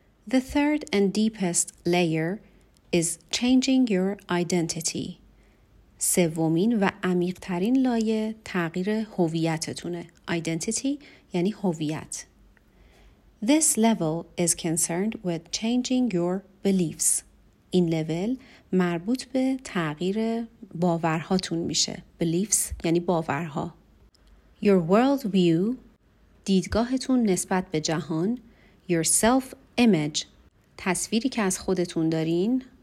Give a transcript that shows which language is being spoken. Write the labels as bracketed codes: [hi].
[en] The third and deepest layer is changing your identity. [fa] سومین و عمیق‌ترین لایه تغییر هویتتونه. Identity یعنی هویت. [en] This level is concerned with changing your beliefs. [fa] این لول مربوط به تغییر باورهاتون میشه. Beliefs یعنی باورها. [en] Your world view [fa] دیدگاهتون نسبت به جهان. [en] Your self image [fa] تصویری که از خودتون دارین.